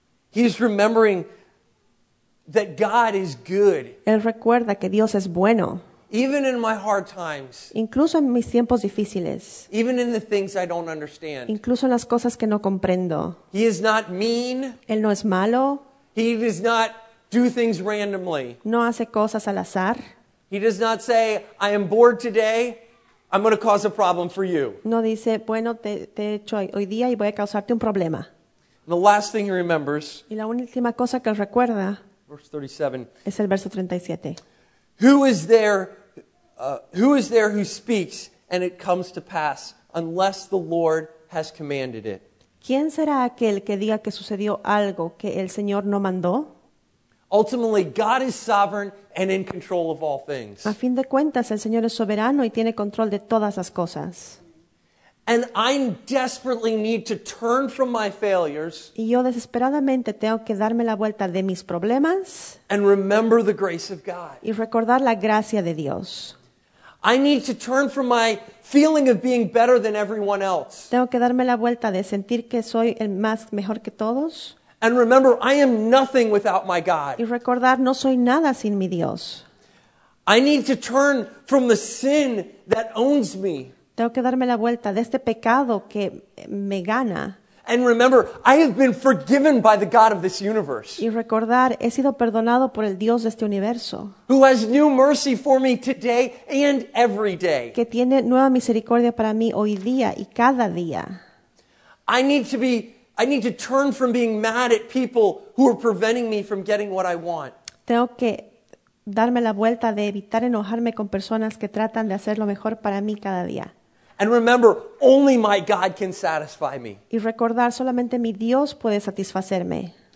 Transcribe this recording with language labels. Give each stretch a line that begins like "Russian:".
English: He is remembering that God is good.
Spanish: Él recuerda que Dios es bueno.
English: Even in my hard times.
Spanish: Incluso en mis tiempos difíciles.
English: Even in the things I don't understand.
Spanish: Incluso en las cosas que no comprendo.
English: He is not mean.
Spanish: Él no es malo.
English: He does not do things randomly.
Spanish: No hace cosas al azar.
English: He does not say, I am bored today, I'm going to cause a problem for you.
Spanish: No dice, bueno, te echo hoy día y voy a causarte un problema.
English: And the last thing he remembers.
Spanish: Y la última cosa que recuerda.
English: Verse 37.
Spanish: Es el verso 37.
English: Who is there who speaks and it comes to pass unless the Lord has commanded it?
Spanish: ¿Quién será aquel que diga que sucedió algo que el Señor no mandó?
English: Ultimately, God is sovereign and in control of all things.
Spanish: A fin de cuentas, el Señor es soberano y tiene control de todas las cosas.
English: And I desperately need to turn from my failures.
Spanish: Y yo desesperadamente tengo que darme la vuelta de mis problemas.
English: And remember the grace of God.
Spanish: Y recordar la gracia de Dios.
English: I need to turn from my feeling of being better than everyone else.
Spanish: Tengo que darme la vuelta de sentir que soy el más mejor que todos.
English: And remember, I am nothing without my God.
Spanish: Y recordar, no soy nada sin mi Dios.
English: I need to turn from the sin that owns me.
Spanish: Tengo que darme la vuelta de este pecado que me gana.
English: And remember, I have been forgiven by the God of this universe.
Spanish: Y recordar, he sido perdonado por el Dios de este universo.
English: Who has new mercy for me today and every day.
Spanish: Que tiene nueva misericordia para mí hoy día y cada día.
English: I need to turn from being mad at people who are preventing me from getting what I want.
Spanish: Tengo que darme la vuelta de evitar enojarme con personas que tratan de hacer lo mejor para mí cada día.
English: And remember, only my God can satisfy me.
Spanish: Y recordar, solamente mi Dios puede satisfacerme.